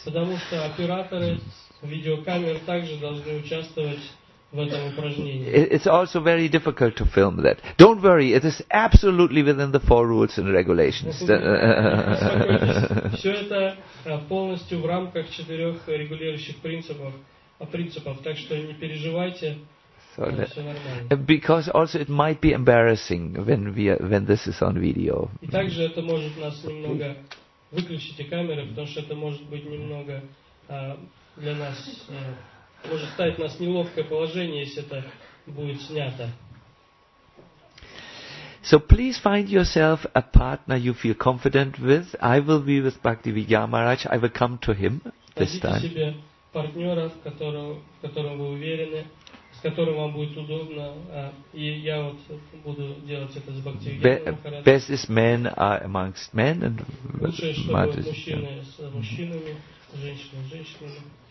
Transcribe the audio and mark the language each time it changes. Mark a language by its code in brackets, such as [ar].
[ru] Потому что операторы видеокамер также должны участвовать в этом упражнении. [en] It's also very difficult to film that. Don't worry, it is absolutely within the four rules and regulations. [ru] Все это полностью в рамках четырех регулирующих принципов, так что не переживайте. [en] So that, because also it might be embarrassing when this is on video. [ru] И также это может нас немного выключить камеры, потому что это может быть немного для нас может ставить нас неловкое положение, если это будет снято. [en] So please find yourself a partner you feel confident with. I will be with Bhaktivedya Maharaj. I will come to him this time. [ru] Найдите себе партнера, в котором вы уверены, с которым вам будет удобно, и я вот буду делать это с Бхактивиданом. [en] Best is men are amongst men and [ru] лучшее, чтобы мужчины с мужчинами, женщины с женщинами.